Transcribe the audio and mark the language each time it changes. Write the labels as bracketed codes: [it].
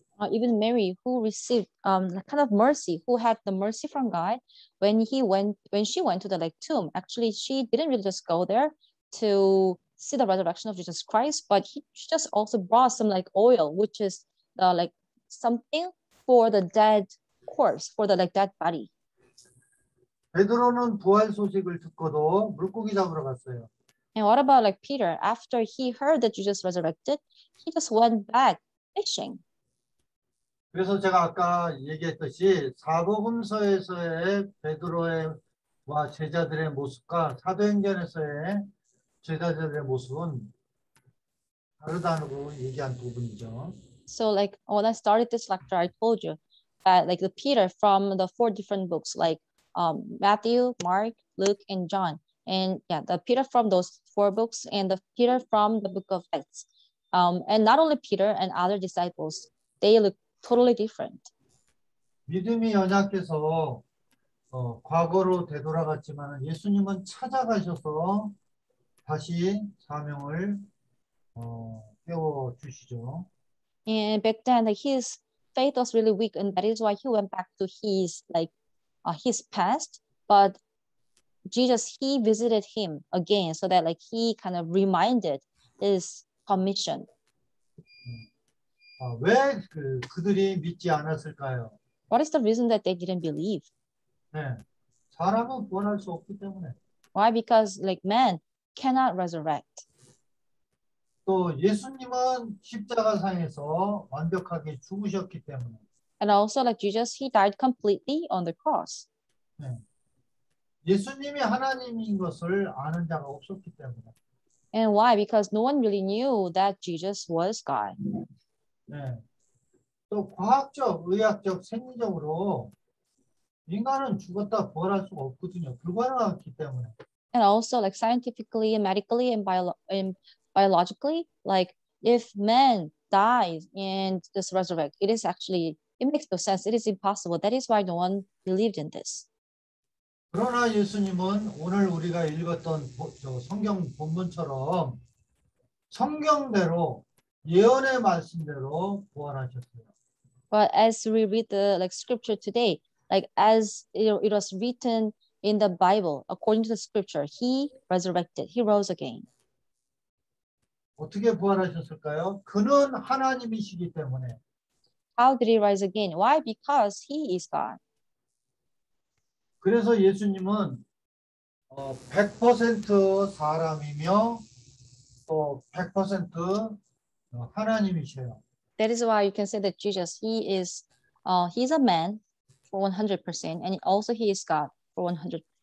[en] Even Mary, who received kind of mercy, who had the mercy from God, when she went to the like tomb, actually she didn't really just go there to see the resurrection of Jesus Christ, but she just also brought some like oil, which is the like something for the dead corpse, for the like dead body. [ko] 베드로는 부활 소식을 듣고도 물고기 잡으러 갔어요. [en] And what about like Peter? After he heard that Jesus resurrected, he just went back fishing. [ko] 그래서 제가 아까 얘기했듯이 사복음서에서의 베드로와 제자들의 모습과 사도행전에서의 제자들의 모습은 다르다고 얘기한 부분이죠. [en] So like when I started this lecture, I told you that like the Peter from the four different books, like Matthew, Mark, Luke, and John. And yeah, the Peter from those four books and the Peter from the book of Acts. And not only Peter and other disciples, they look totally different. [ko] 믿음이 연약해서 과거로 되돌아갔지만 예수님은 찾아가셔서 다시 사명을 깨워주시죠. [en] And back then, like, his faith was really weak, and that is why he went back to his like his past. But Jesus, he visited him again, so that like he kind of reminded his commission. [ko] 왜 그들이 믿지 않았을까요? [en] What is the reason that they didn't believe? [ko] 네, 사람은 부활할 수 없기 때문에. [en] Why? Because like man cannot resurrect. [ko] 또 예수님은 십자가상에서 완벽하게 죽으셨기 때문에. [en] And also like Jesus, he died completely on the cross. [ko] 네. 예수님이 하나님인 것을 아는 자가 없었기 때문에. [en] And why? Because no one really knew that Jesus was God. [ko] 네. 또 과학적, 의학적, 생리적으로 인간은 죽었다 부활할 수가 없거든요. 불가능하기 때문에. [en] And also like scientifically and medically and biologically, like if man dies and just resurrect, it is actually, it makes no sense. It is impossible. That is why no one believed in this. [ko] 그러나 예수님은 오늘 우리가 읽었던 성경 본문처럼 성경대로 예언의 말씀대로 부활하셨어요. [en] But as we read the like scripture today, like as it was written in the Bible, according to the scripture, he resurrected. He rose again. [ko] 어떻게 부활하셨을까요? 그는 하나님이시기 때문에. [en] How did he rise again? Why? Because he is God. [ko] 그래서 예수님은 100% 사람이며 또 100% 하나님이세요. [en] That is why you can say that Jesus, he is he's a man for 100% and also he is God for 100%.